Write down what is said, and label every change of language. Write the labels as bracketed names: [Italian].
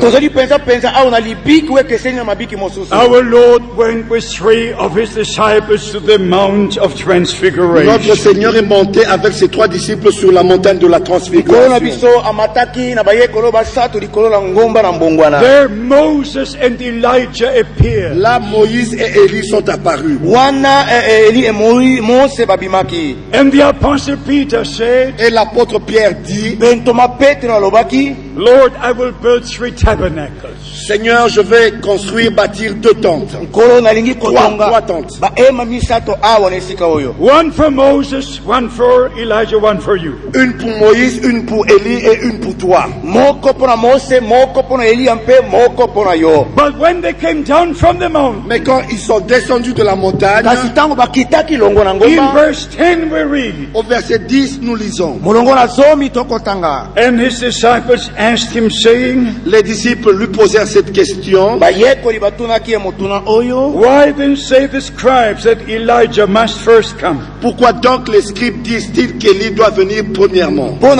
[English] Our Lord went with three of his disciples to the Mount of Transfiguration. [French] Notre Seigneur est monté avec ses trois disciples sur la montagne de la Transfiguration. [English] There Moses and Elijah appeared. [French] Là, Moïse et Élie sont apparus. [English] And the apostle Peter said, [French] et l'apôtre Pierre dit, [English] Lord, I will build three tabernacles. [French] Seigneur, je vais construire, bâtir deux tentes. Trois tentes. [English] One for Moses, one for Elijah, one for you. [French] Une pour Moïse, une pour Élie et une pour toi. [Lingala] Moko [French] pour Moïse, [Lingala] moko [French] pour Élie, un peu [Lingala] moko [French] pour [Lingala] yo. [English] But when they came down from the mountain, [French] mais quand ils sont descendus de la montagne, [English] in verse 10 we read. [French] Au verset 10 nous lisons. [Lingala] Molongo na zomi tokotanga. [English] And his disciples asked him, saying, [French] les disciples lui posèrent cette question, [English] why then say the scribes that Elijah must first come? [French] Pourquoi donc les scribes disent-ils qu'Élie doit venir premièrement?